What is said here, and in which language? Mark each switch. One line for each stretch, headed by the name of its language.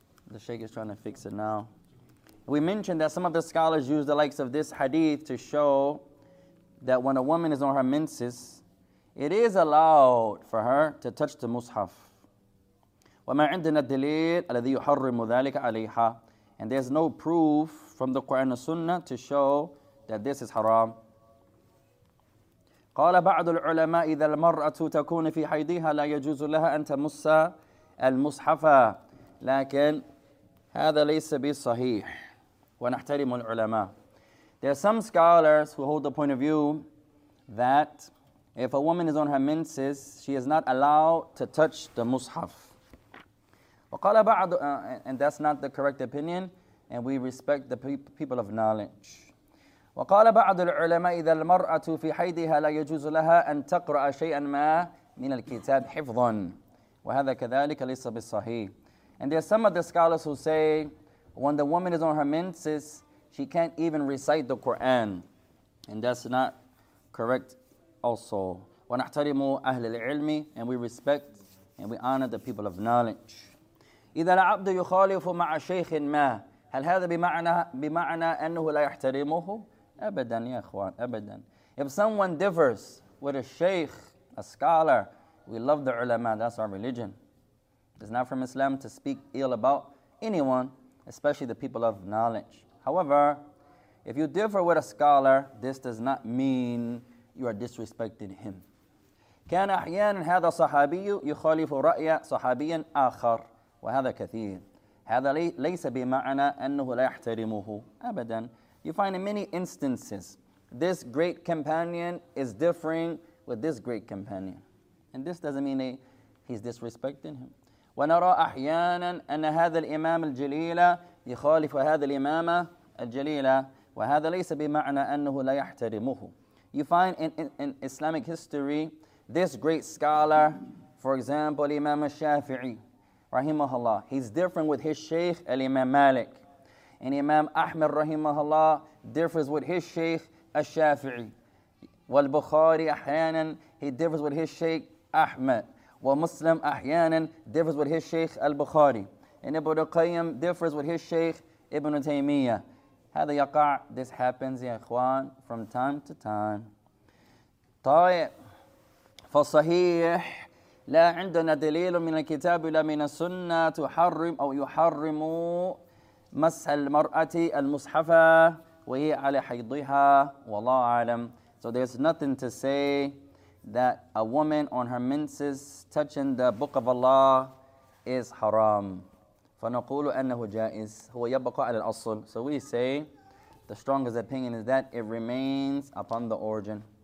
English: The Sheikh is trying to fix it now We mentioned that some of the scholars use the likes of this hadith to show that when a woman is on her menses it is allowed for her to touch the mushaf
Arabic: وما عندنا الدليل الذي يحرم ذلك عليها
English: And there's no proof from the Quran and Sunnah to show that this is haram.
Arabic: قال بعض العلماء إذا المرأة تكون في حيضها لا يجوز لها أن تمس المصحف لكن هذا ليس بالصحيح ونحترم العلماء.
English: There are some scholars who hold the point of view that if a woman is on her menses, she is not allowed to touch the mushaf.
Arabic: وقال بعض
English: and that's not the correct opinion and we respect the people of knowledge.
Arabic: وقال بعض العلماء إذا المرأة في حيضها لا يجوز لها أن تقرأ شيئا ما من الكتاب حفظا وهذا كذلك ليس بالصحيح.
English: And there are some of the scholars who say when the woman is on her menses she can't even recite the Quran and that's not correct also.
Arabic: ونحترم أهل العلم
English: and we respect and we honor the people of knowledge.
Arabic: إذا العبد يخالف مع شيخ ما هل هذا بمعنى أنه لا يحترمه أبدا يا إخوان أبدا.
English: If someone differs with a sheikh, a scholar, we love the ulama. That's our religion. It's not from Islam to speak ill about anyone, especially the people of knowledge. However, if you differ with a scholar, this does not mean you are disrespecting him.
Arabic: كان أحيانا هذا صحابي يخالف رأي صحابي آخر. وهذا كثير هذا ليس بمعنى أنه لا يحترمه أبدا
English: You find in many instances this great companion is differing with this great companion and this doesn't mean he's disrespecting him
Arabic: ونرى أحيانا أن هذا الإمام الجليل يخالف هذا الإمام الجليل وهذا ليس بمعنى أنه لا يحترمه
English: You find in Islamic history this great scholar For example, Imam Shafi'i, rahimahullah, he's different with his Shaykh, Imam Malik. And Imam Ahmed, rahimahullah, differs with his Shaykh, Al-Shafi'i. Wal-Bukhari, ahyanan, he differs with his Shaykh, Ahmed. Wal-Muslim, ahyanan, differs with his Shaykh, Al-Bukhari. And Ibn Qayyim differs with his Shaykh, Ibn Taymiyyah.
Arabic: هذا يقع,
English: this happens, ya ikhwan, from time to time.
Arabic: طيب, فصحيح, لا عندنا دليل من الكتاب ولا من السنة تحرم أو يحرم مسح المرأة المصحفة وهي على حيضها والله أعلم.
English: So there's nothing to say that a woman on her menses touching the book of Allah is haram.
Arabic: فنقول أنه جائز هو يبقى على الأصل.
English: So we say the strongest opinion is that it remains upon the origin.